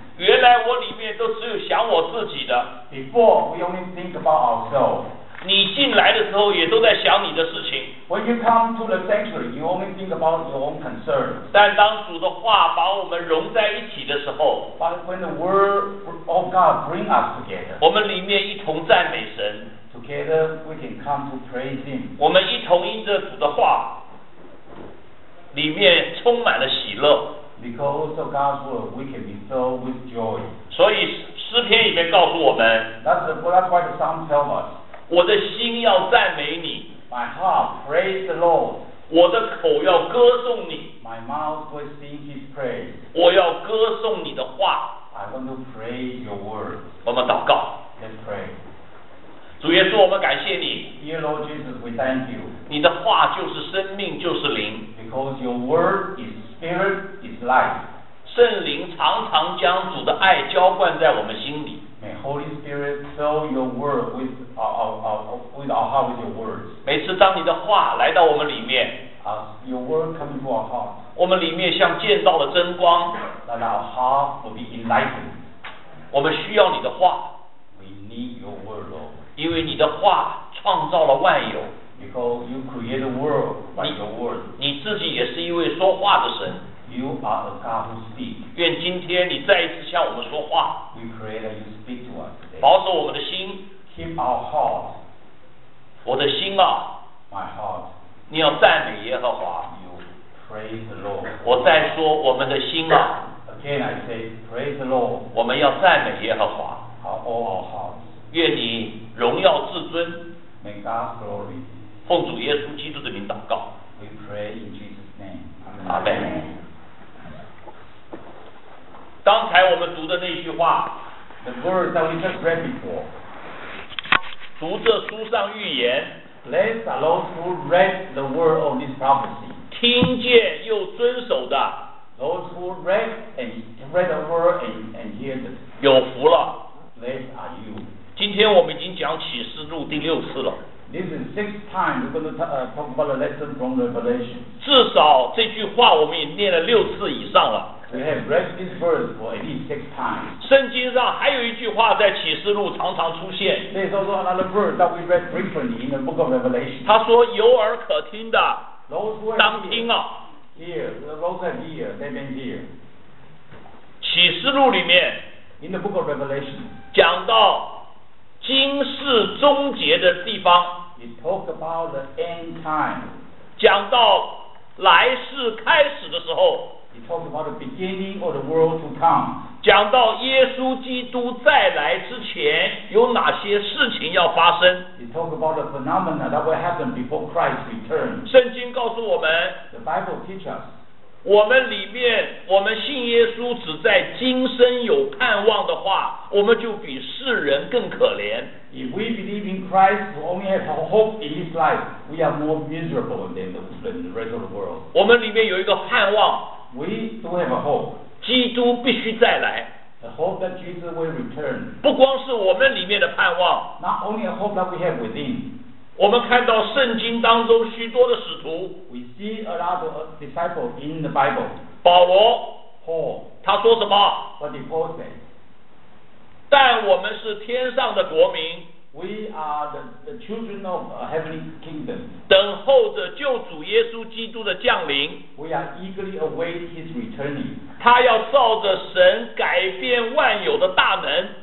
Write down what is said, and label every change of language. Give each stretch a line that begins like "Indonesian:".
Chinese: 原来我里面都只有想我自己的。
English: Before, we only think about ourselves.
Chinese: 你进来的时候也都在想你的事情。
English: When you come to the sanctuary, you only think about your own concerns.
Chinese: 但当主的话把我们融在一起的时候，
English: But when the word of God brings us together,
Chinese: 我们里面一同赞美神。
English: Together, we can come to praise Him.
Chinese: 我们一同因着主的话里面充满了喜乐。
English: Because of God's word, we can be filled with joy.
Chinese: 所以诗篇里面告诉我们，
English: that's why the Psalm tells us.
Chinese: 我的心要赞美你。
English: My heart praise the Lord.
Chinese: 我的口要歌颂你。
English: My mouth will sing His praise.
Chinese: 我要歌颂你的话。
English: I want to praise your word.
Chinese: 我们祷告。
English: Let's pray.
Chinese: 主耶稣，我们感谢你。
English: Dear Lord Jesus, we thank you.
Chinese: 你的话就是生命，就是灵。
English: Because your word is spirit, is life.
Chinese: 圣灵常常将主的爱浇灌在我们心里。
English: May Holy Spirit fill your word with our heart with your words.
Chinese: 每次当你的话来到我们里面，
English: your word comes to our heart.
Chinese: 我们里面像见到了真光。
English: That our heart will be enlightened.
Chinese: 我们需要你的话。
English: We need your word, Lord.
Chinese: 因为你的话创造了万有。
English: Because you create the world by your word.
Chinese: 你自己也是一位说话的神。
English: You are a God who speaks.
Chinese: 愿今天你再一次向我们说话。
English: We pray that you speak to us today.
Chinese: 保守我们的心。
English: Keep our heart.
Chinese: 我的心啊。
English: My heart.
Chinese: 你要赞美耶和华。
English: You praise the Lord.
Chinese: 我再说我们的心啊。
English: Again I say praise the Lord.
Chinese: 我们要赞美耶和华。
English: All our hearts.
Chinese: 愿你荣耀至尊。
English: May God's glory.
Chinese: 奉主耶稣基督的名祷告。
English: We pray in Jesus' name. Amen. Amen.
Chinese: 刚才我们读的那句话。
English: The words that we just read before.
Chinese: 读这书上预言。
English: Blessed are those who read the word of this prophecy.
Chinese: 听见又遵守的。
English: Those who read the word and hear it.
Chinese: 有福了。
English: Blessed are you.
Chinese: 今天我们已经讲启示录第六次了。
English: This is sixth time we're going to talk about a lesson from Revelation.
Chinese: 至少这句话我们也念了六次以上了。
English: We have read this verse for at least six times.
Chinese: 圣经上还有一句话在启示录常常出现。
English: There's also another verse that we read frequently in the book of Revelation.
Chinese: 他说有耳可听的
English: those who
Chinese: 当听啊。
English: Here, those who have ears, they may hear.
Chinese: 启示录里面
English: in the book of Revelation.
Chinese: 讲到今世终结的地方，
English: It talk about the end time.
Chinese: 讲到来世开始的时候，
English: It talk about the beginning of the world to come.
Chinese: 讲到耶稣基督再来之前有哪些事情要发生，
English: It talk about the phenomena that will happen before Christ returns.
Chinese: 圣经告诉我们，
English: The Bible teach us.
Chinese: 我们里面我们信耶稣只在今生有盼望的话，我们就比世人更可怜。
English: If we believe in Christ who only has hope in his life, we are more miserable than the rest of the world.
Chinese: 我们里面有一个盼望，
English: We do have a hope.
Chinese: 基督必须再来，
English: The hope that Jesus will return.
Chinese: 不光是我们里面的盼望，
English: Not only a hope that we have within.
Chinese: 我们看到圣经当中许多的使徒，
English: We see a lot of disciples in the Bible.
Chinese: 保罗，
English: Paul,
Chinese: 他说什么？
English: What did Paul say?
Chinese: 但我们是天上的国民，
English: We are the children of a heavenly kingdom.
Chinese: 等候着救主耶稣基督的降临，
English: We are eagerly await his returning.
Chinese: 他要照着神改变万有的大能，